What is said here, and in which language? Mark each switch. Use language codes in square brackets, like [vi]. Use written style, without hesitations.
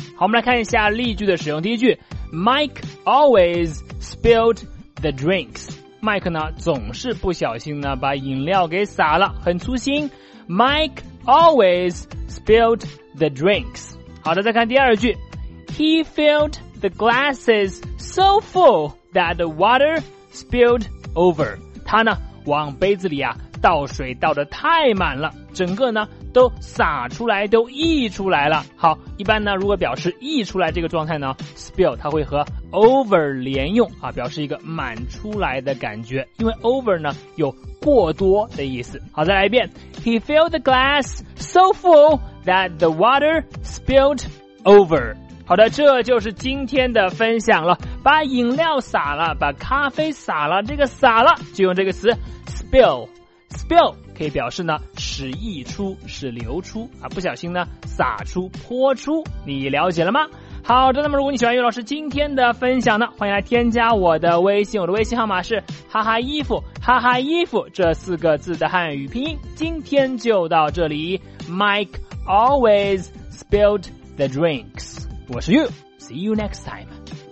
[zh] 好，我们来看一下例句的使用。第一句 ， [en] Mike always spilled the drinks。 [zh] Mike 呢总是不小心呢把饮料给洒了，很粗心。 [en] Mike always spilled the drinks。 [zh] 好的，再看第二句 ， [en] He filled。 The glass is so full that the water spilled over. [zh] 他呢往杯子里啊倒水倒得太满了，整个呢都洒出来，都溢出来了。好，一般呢如果表示溢出来这个状态呢 ，spill 它会和 over 连用啊，表示一个满出来的感觉，因为 over 呢有过多的意思。好，再来一遍 [en] ，He filled the glass so full that the water spilled over. [zh] 好的，这就是今天的分享了。把饮料洒了，把咖啡洒了，这个洒了就用这个词 spill 可以表示呢使溢出、使流出啊，不小心呢洒出、泼出，你了解了吗？好的，那么如果你喜欢悠悠老师今天的分享呢，欢迎来添加我的微信，我的微信号码是哈哈衣服，哈哈衣服这四个字的汉语拼音。今天就到这里 [en] ，Mike always spilled the drinks。 [zh] 我是 [en] You, see you next time.